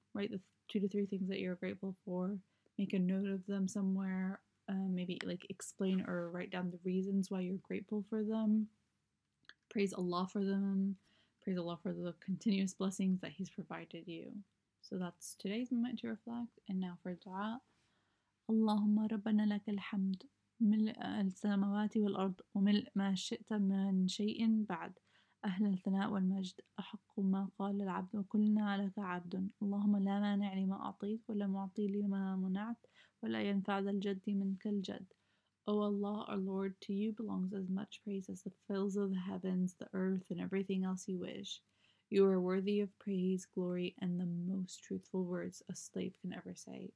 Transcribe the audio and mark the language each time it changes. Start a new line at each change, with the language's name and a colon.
English: Write the 2 to 3 things that you're grateful for. Make a note of them somewhere. Maybe like explain or write down the reasons why you're grateful for them. Praise Allah for them. Praise Allah for the continuous blessings that He's provided you. So that's today's moment to reflect. And now for dua.
Arabic: اللهم ربنا لك الحمد ملء السماوات والأرض وملء ما شئت من شيء بعد أهل الثناء والمجد أحق ما قال العبد وكلنا لك عبد اللهم لا مانع لما أعطيت ولا معطي لما منعت ولا ينفع ذا الجد منك الجد.
English: O Allah, our Lord, to you belongs as much praise as the fills of the heavens, the earth, and everything else you wish. You are worthy of praise, glory, and the most truthful words a slave can ever say.